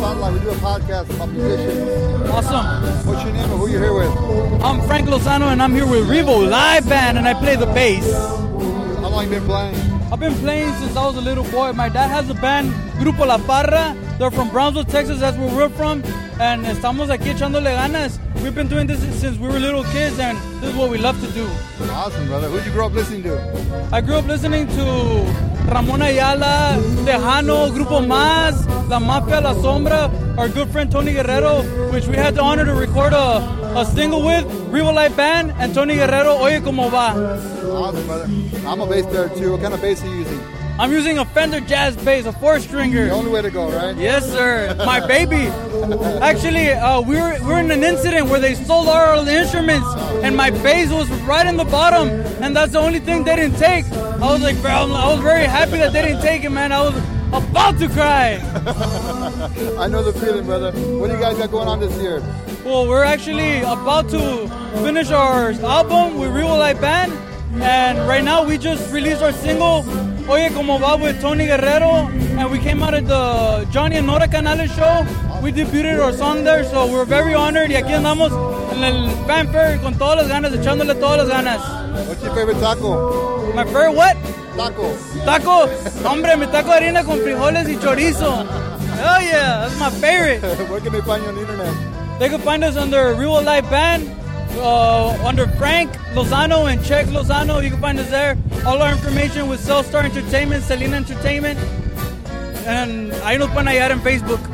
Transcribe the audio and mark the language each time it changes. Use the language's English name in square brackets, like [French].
[English] We do a podcast about musicians. Awesome. What's your name and who are you here with? I'm Frank Lozano and I'm here with Revo Live Band and I play the bass. How long have you been playing? I've been playing since I was a little boy. My dad has a band, Grupo La Parra. They're from Brownsville, Texas. That's where we're from. [Spanish] And estamos aquí echándole ganas. [English] We've been doing this since we were little kids and this is what we love to do. Awesome, brother. Who did you grow up listening to? I grew up listening to Ramon Ayala, Tejano, Grupo Mas, La Mafia, La Sombra, our good friend Tony Guerrero, which we had the honor to record a single with, Revo Live Band, and Tony Guerrero, Oye Como Va. Awesome, brother. I'm a bass player, too. What kind of bass are you using? I'm using a Fender Jazz bass, a four-stringer. The only way to go, right? Yes, sir. My baby. Actually, we were in an incident where they stole all the instruments, and my bass was right in the bottom, and that's the only thing they didn't take. I was like, bro, I was very happy that they didn't take it, man. I was about to cry. I know the feeling, brother. What do you guys got going on this year? Well, we're actually about to finish our album with Revo Live Band. And right now, we just released our single, Oye Como Va, with Tony Guerrero. And we came out at the Johnny and Nora Canales show. We debuted our song there, so we're very honored. [Spanish] Y aquí andamos en el FanFare con todas las ganas, [English] echándole todas las ganas. What's your favorite taco? My favorite what? Taco. Taco? [Spanish] Hombre, mi taco harina con frijoles y chorizo. [English] Hell yeah, that's my favorite. Where can they find you on the internet? They can find us under Revo Live Band, under Frank Lozano and Check Lozano. You can find us there. All our information with Cellstar Entertainment, Selena Entertainment. And I know when I add on Facebook.